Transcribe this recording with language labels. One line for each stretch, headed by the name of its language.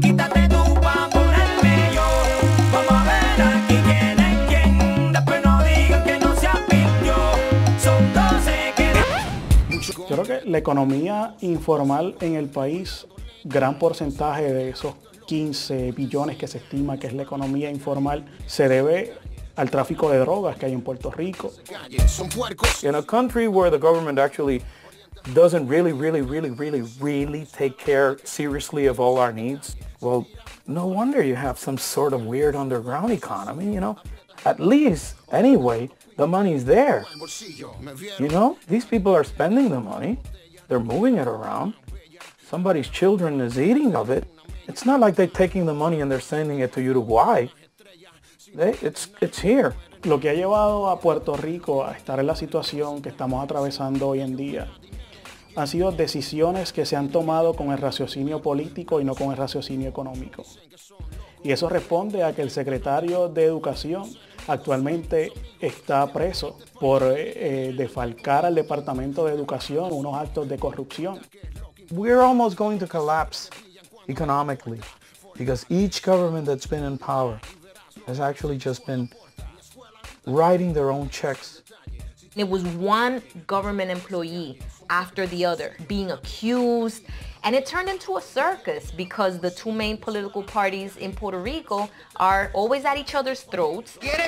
Spanish: Quítate tú pa' ponerme yo, vamos a ver aquí quién es quién, después no digan que no se advirtió, son 12 que dan... Yo creo que la economía informal en el país, gran porcentaje de esos 15 billones que se estima que es la economía informal, se debe al tráfico de drogas que hay en Puerto Rico.
English: In a country where the government actually doesn't really, really, really, really, really take care seriously of all our needs, well, no wonder you have some sort of weird underground economy, you know? At least, anyway, the money's there. You know, these people are spending the money. They're moving it around. Somebody's children is eating of it. It's not like they're taking the money and they're sending it to Uruguay. It's here.
Spanish: Lo que ha llevado a Puerto Rico a estar en la situación que estamos atravesando hoy en día han sido decisiones que se han tomado con el raciocinio político y no con el raciocinio económico. Y eso responde a que el secretario de Educación actualmente está preso por defalcar al Departamento de Educación unos actos de corrupción.
English: We're almost going to collapse economically because each government that's been in power has actually just been writing their own checks. It was one government employee after the other being accused, and it turned into a circus because the two main political parties in Puerto Rico are always at each other's throats.